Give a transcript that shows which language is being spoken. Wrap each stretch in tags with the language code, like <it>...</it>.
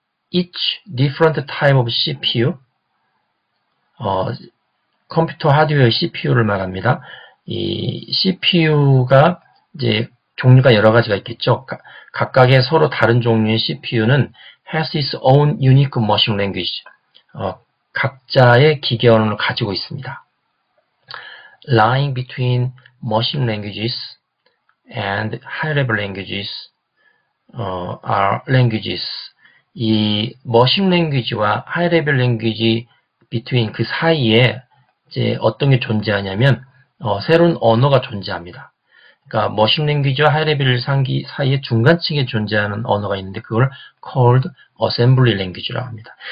<en>Each different type of CPU,</en> <ko>컴퓨터 하드웨어 CPU를 말합니다. 이 CPU가 이제 종류가 여러 가지가 있겠죠. 각각의 서로 다른 종류의 CPU는</ko> <en>has its own unique machine language.</en> <ko>각자의 기계 언어를 가지고 있습니다.</ko> <en>Lying between machine languages and high-level languages, are languages.</en> <ko>이 머신 랭귀지와 하이 레벨 랭귀지 비트윈 그 사이에 이제 어떤 게 존재하냐면 새로운 언어가 존재합니다. 그러니까 머신 랭귀지와 하이 레벨 상기 사이에 중간층에 존재하는 언어가 있는데 그걸</ko> <en>called assembly language</en> <ko>라고 합니다.</ko>